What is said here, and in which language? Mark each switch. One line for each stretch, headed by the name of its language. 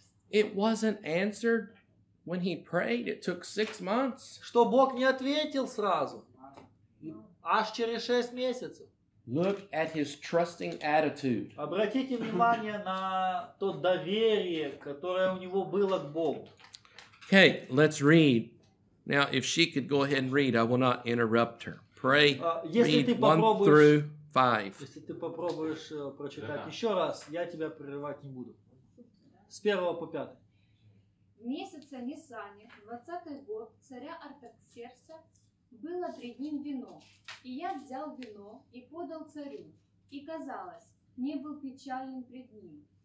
English: It wasn't answered when he prayed. It took 6 months.
Russian: Что Бог не ответил сразу. Аж через 6 месяцев.
English: Look at his trusting attitude.
Russian: Обратите внимание на то доверие, которое у него было к Богу.
English: Okay, let's read. Now, if she could go ahead and read, I will not interrupt her. Pray, read 1-5.
Russian: Если ты попробуешь прочитать еще раз, я тебя прерывать не буду. С 1 по 5. Месяца Нисане, 20-й год, царя Артаксеркса, было 3 дни вино, и я взял вино и подал царю, и, казалось, не был печален пред ним.